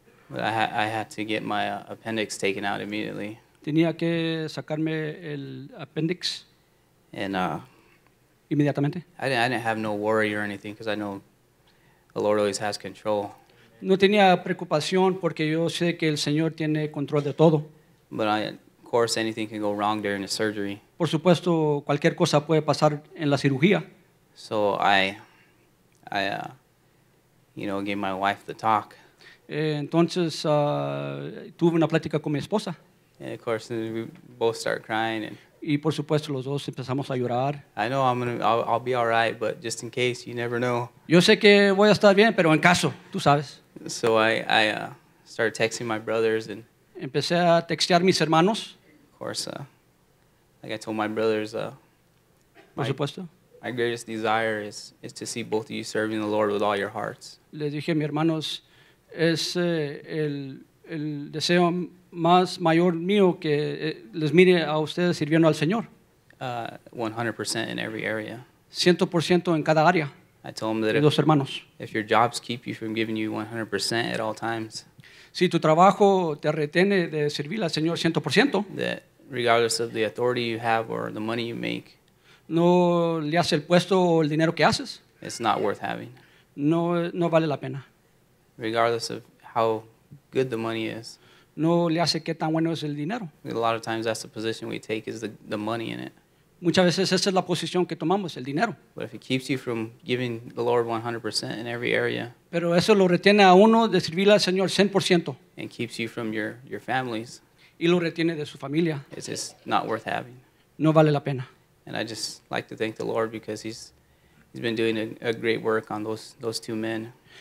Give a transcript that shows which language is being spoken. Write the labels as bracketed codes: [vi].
[en] But I had to get my appendix taken out immediately. [es] Tenía que sacarme el appendix. [en] And [es] inmediatamente. [en] I didn't have no worry or anything because I know the Lord always has control. [es] No tenía preocupación porque yo sé que el Señor tiene control de todo. [en] But of course, anything can go wrong during a surgery. [es] Por supuesto, cualquier cosa puede pasar en la cirugía. [en] So I gave my wife the talk. [es] Entonces tuve una plática con mi esposa. [en] And of course, we both start crying. And [es] y por supuesto, los dos empezamos a llorar. [en] I know I'll be all right, but just in case, you never know. [es] Yo sé que voy a estar bien, pero en caso, tú sabes. [en] So I started texting my brothers. And [es] empecé a textear mis hermanos. [en] Of course, like I told my brothers. [es] Por supuesto. [en] My greatest desire is to see both of you serving the Lord with all your hearts. [es] Les dije a mis hermanos. Es el deseo más mayor mío que les mire a ustedes sirviendo al Señor. [en] 100% in every area. [es] 100% en cada área. [en] I told them that [es] dos hermanos. [en] If your jobs keep you from giving you 100% at all times. [es] Si tu trabajo te retiene de servir al Señor 100%. [en] That regardless of the authority you have or the money you make. [es] No le hace el puesto o el dinero que haces. [en] It's not worth having. [es] No vale la pena. [en] Regardless of how good the money is. [es] No le hace qué tan bueno es el dinero. [en] A lot of times that's the position we take is the money in it. [es] Muchas veces esa es la posición que tomamos, el dinero. [en] But if it keeps you from giving the Lord 100% in every area. [es] Pero eso lo retiene a uno de servir al Señor 100%. [en] And keeps you from your families. [es] Y lo retiene de su familia. [en] It's just not worth having. [es] No vale la pena. [en] And I just like to thank the Lord because He's been doing a great work on those two men.